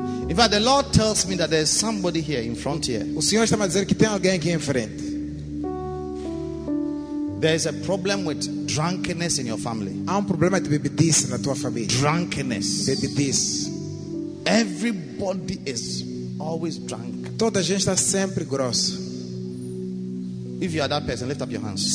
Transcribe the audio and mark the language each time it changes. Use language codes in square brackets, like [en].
[en] In fact, the Lord tells me that there's somebody here in front here. [pt] O Senhor está me dizendo que tem alguém aqui em frente. [en] There is a problem with drunkenness in your family. [pt] Há problema de bebedice na tua família. [en] Drunkenness. [pt] Bebedice. [en] Everybody is always drunk. [pt] Toda a gente está sempre grossa. [en] If you are that person, lift up your hands.